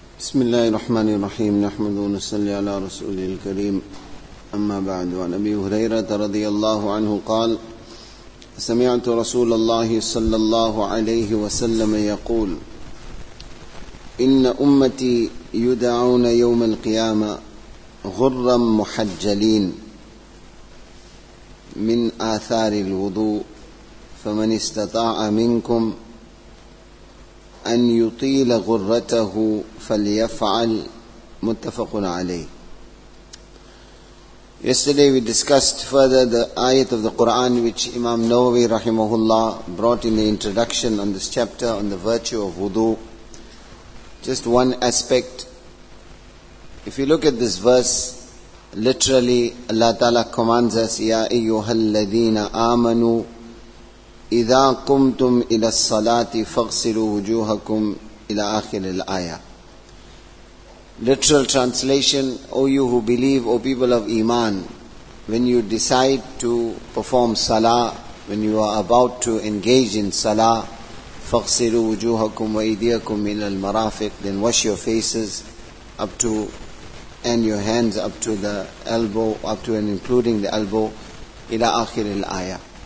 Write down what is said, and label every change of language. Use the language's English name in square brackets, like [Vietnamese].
[Arabic] بسم الله الرحمن الرحيم نحمد ونصلي على رسول الكريم أما بعد وعن أبي هريرة رضي الله عنه قال سمعت رسول الله صلى الله عليه وسلم يقول إن أمتي يدعون يوم القيامة غرا محجلين من آثار الوضوء فمن استطاع منكم أن يطيل غرته فليفعل متفق عليه. [English] Yesterday we discussed further the ayat of the Quran which Imam Nawawi rahimahullah brought in the introduction on this chapter on the virtue of wudu. Just one aspect. If you look at this verse, literally Allah Ta'ala commands us, [Arabic] يَا أَيُّهَا الَّذِينَ آمَنُوا إِذَا قُمْتُمْ إِلَى الصَّلَاةِ فَغْسِلُوا وُجُوهَكُمْ إِلَى آخِرِ الْآيَةِ. [English] Literal translation, O you who believe, O people of Iman, when you decide to perform Salah, when you are about to engage in Salah, [Arabic] فَغْسِلُوا وُجُوهَكُمْ وَأَيْدِيَكُمْ إِلَى الْمَرَافِقِ, [English] then wash your faces up to, and your hands up to the elbow, up to and including the elbow, [Arabic] إِلَى آخِرِ الْآيَةِ.